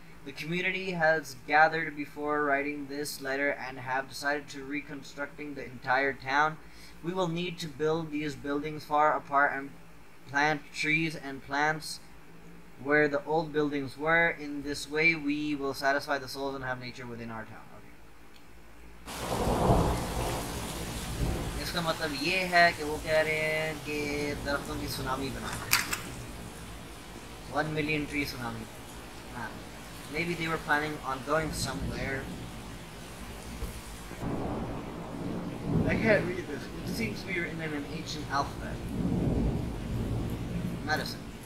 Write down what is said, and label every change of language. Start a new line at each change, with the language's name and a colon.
English: The community has gathered before writing this letter and have decided to reconstructing the entire town. We will need to build these buildings far apart and plant trees and plants where the old buildings were. In this way, we will satisfy the souls and have nature within our town. Okay.
Hindi: इसका मतलब ये है कि वो कह रहे हैं कि दरख्तों की सुनामी बना दे।
English: 1 million trees tsunami. Maybe they were planning on going somewhere. I can't read this. It seems we are in an ancient alphabet. Medicine.